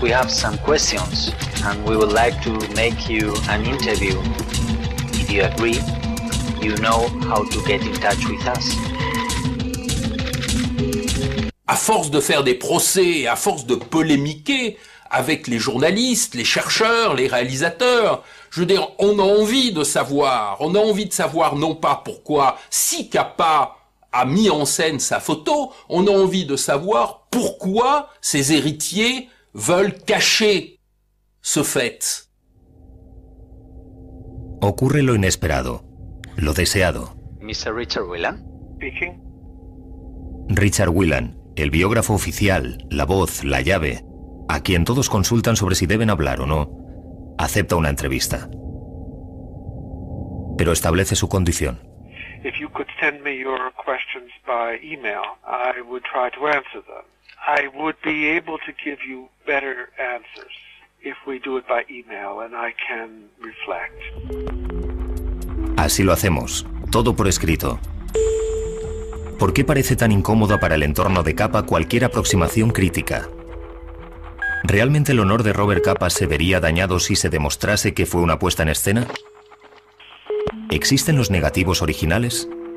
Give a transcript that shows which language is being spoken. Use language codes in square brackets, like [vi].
[en] We have some questions, and we would like to make you an interview. If you agree, you know how to get in touch with us. [fr] A force de faire des procès, à force de polémiquer avec les journalistes, les chercheurs, les réalisateurs, je veux dire, on a envie de savoir, non pas pourquoi Sikapa a mis en scène sa photo, on a envie de savoir pourquoi ses héritiers veulent cacher ce fait. [es] Ocurre lo inesperado, lo deseado. [en] Mr. Richard Whelan. Speaking. [es] Richard Whelan, el biógrafo oficial, la voz, la llave, a quien todos consultan sobre si deben hablar o no, acepta una entrevista. Pero establece su condición. [en] If you could send me your questions by email, I would try to answer them. I would be able to give you better answers if we do it by email and I can reflect. [es] Así lo hacemos, todo por escrito. ¿Por qué parece tan incómoda para el entorno de Capa cualquier aproximación crítica? ¿Realmente el honor de Robert Capa se vería dañado si se demostrase que fue una puesta en escena? ¿Existen los negativos originales?